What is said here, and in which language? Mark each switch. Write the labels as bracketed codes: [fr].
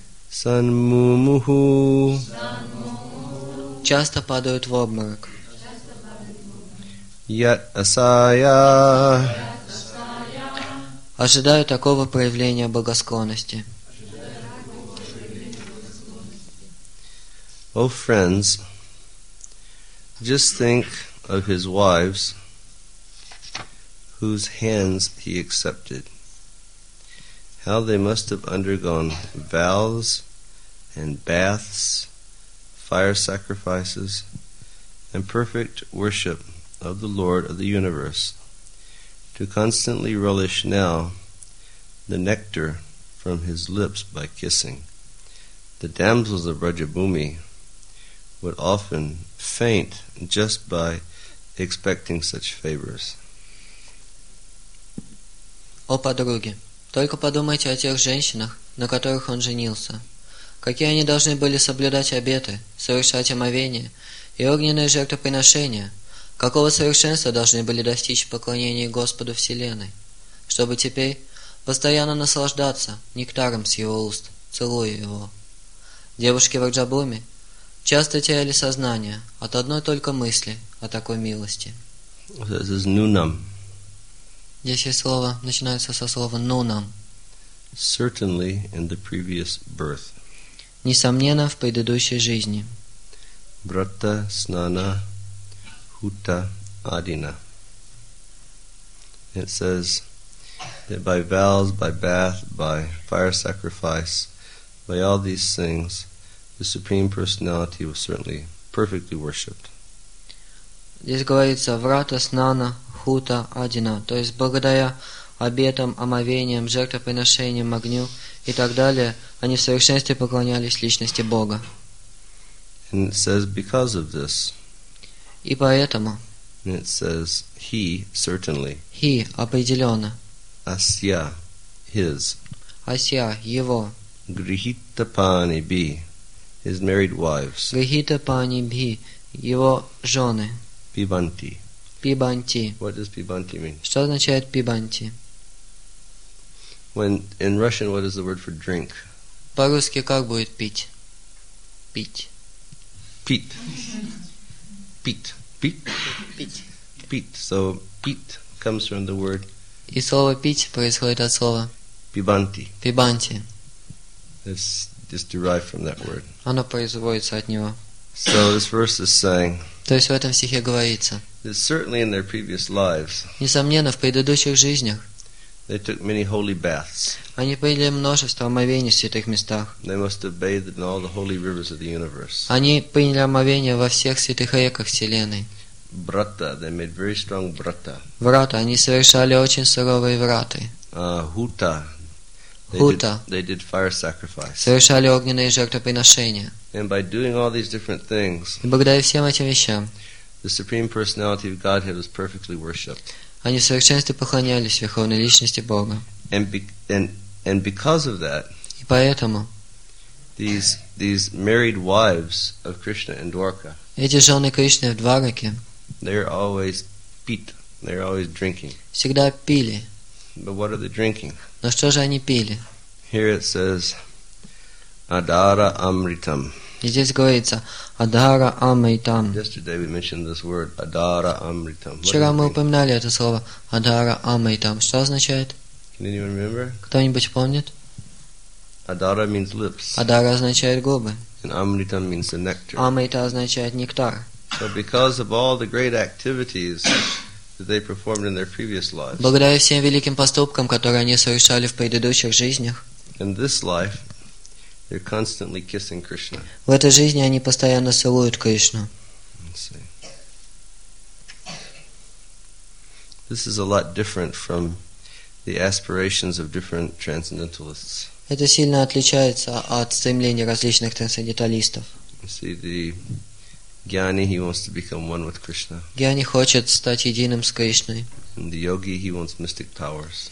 [sa] Санмумуху. [ru] Часто падают в обморок. [sa] Ят асая. [ru] Ожидаю такого проявления богосклонности. [en] О, friends, just think of his wives whose hands he accepted. How they must have undergone vows and baths, fire sacrifices, and perfect worship of the Lord of the universe, to constantly relish now the nectar from his lips by kissing. The damsels of Rajabhumi would often faint just by expecting such favors. [ru] О, подруги, только подумайте о тех женщинах, на которых он женился. Какие они должны были соблюдать обеты, совершать омовение и огненные жертвоприношения. Какого совершенства должны были достичь в поклонении Господу Вселенной, чтобы теперь постоянно наслаждаться нектаром с его уст, целуя его. Девушки в Раджабхуми часто теряли сознание от одной только мысли о такой милости. [en] This is nunam. [ru] Здесь есть слово, начинается со слова «нунам». [en] Certainly in the previous birth. [ru] Несомненно, в предыдущей жизни. [sa] Брата снана. Uta Adina. [en] It says that by vows, by bath, by fire sacrifice, by all these things, the Supreme Personality was certainly perfectly worshipped. [ru] Здесь говорится [sa] врата снана хута адина, [ru] то есть благодаря обетам, омовениям, жертвоприношениям, огню и так далее, они в совершенстве поклонялись личности Бога. [en] And it says because of this. [ru] И поэтому. [en] It says he certainly. He [ru] определенно. [en] Asya, his. [ru] Asya, его. [en] Grihita pani bi, his married wives. [ru] Grihita pani bi, его жены. [sa] Pibanti. Pibanti. [en] What does pibanti mean? [ru] Что означает pibanti? [en] When in Russian, what is the word for drink? [ru] По-русски как будет пить? Пить. Пит. Пит. Пить. Пить. [en] So [ru] пить [en] comes from the word. [ru] И слово пить происходит от слова. [sa] Пибанти. Пибанти. [en] It's just derived from that word. [ru] Оно производится от него. [en] So this verse is saying. [ru] То есть в этом стихе говорится. [en] That certainly in their previous lives. [ru] Несомненно, в предыдущих жизнях. [en] They took many holy baths. [ru] Они приняли множество омовений в святых местах. [en] They must have bathed in all the holy rivers of the universe. [ru] Они приняли омовение во всех святых реках вселенной. [sa] брата. [en] They made very strong брата. [sa] Врата. [ru] Они совершали очень суровые враты. [sa] Хута. Хута. [en] They did fire sacrifice. [ru] Совершали огненные жертвоприношения. [en] And by doing all these different things, [ru] и благодаря всем этим вещам, [en] the Supreme Personality of Godhead was perfectly worshipped. [ru] Они в совершенстве поклонялись Верховной Личности Бога. [en] And because of that, [ru] и поэтому, [en] these married wives of Krishna and Dwarka, [ru] эти жены Кришны в Двараке, [en] they're always pit, they're always drinking. [ru] Всегда пили. [en] But what are they drinking? [ru] Но что же они пили? [en] Here it says, Adara Amritam. [ru] Здесь говорится Адара Амритам. [en] Yesterday we mentioned this word Адара Амритам. [ru] Вчера мы упоминали это слово Адара Амритам. Что означает? [en] Can anyone remember? [ru] Кто-нибудь помнит? [en] Адара means lips. [ru] Адара означает губы. [en] And Амритам means the nectar. [ru] Амрита означает нектар. [en] So because of all the great activities that they performed in their previous lives. [ru] Благодаря всем великим поступкам, которые они совершали в предыдущих жизнях. [en] In this life. They're constantly kissing Krishna. [ru] В этой жизни они постоянно целуют Кришну. [en] This is a lot different from the aspirations of different transcendentalists. [ru] Это сильно отличается от стремлений различных трансценденталистов. [en] See, the gyani, he wants to become one with Krishna. [ru] Гьяни хочет стать единым с Кришной. [en] And the yogi, he wants mystic powers.